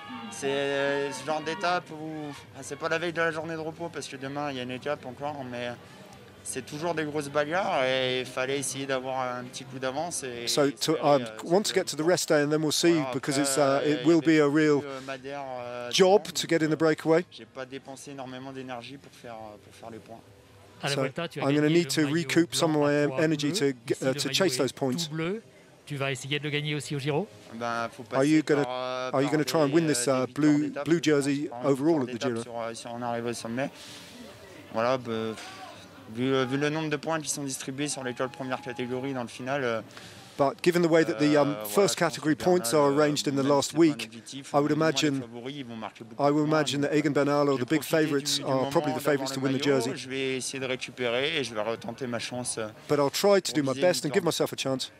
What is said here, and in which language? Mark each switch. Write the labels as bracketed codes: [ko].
[fr] C'est ce genre d'étape où c'est pas la veille de la journée de repos parce que demain il y a une étape encore, mais c'est toujours des grosses bagarres et il fallait essayer d'avoir un petit coup d'avance. Et [en] so to, I want to get to the rest day and then we'll see. Alors, because it's it will be a real job to get in the breakaway. [fr] J'ai pas dépensé énormément d'énergie pour faire les points. [en] So I'm going to need to recoup some of my energy to chase those points. [fr] Tu vas essayer de le gagner aussi au Giro? Ben, faut pas. [en] Are you going to try and win this blue jersey overall at the Giro? [fr] Si on arrive au sommet, voilà, vu le nombre de points qui sont distribués sur l'étoile première catégorie dans le final. [en] But given the way that the first category points are arranged in the last week, I would imagine that Egan Bernal or the big favourites are probably the favourites to win the jersey. [fr] Je vais essayer de récupérer et je vais retenter ma chance. [en] But I'll try to do my best and give myself a chance.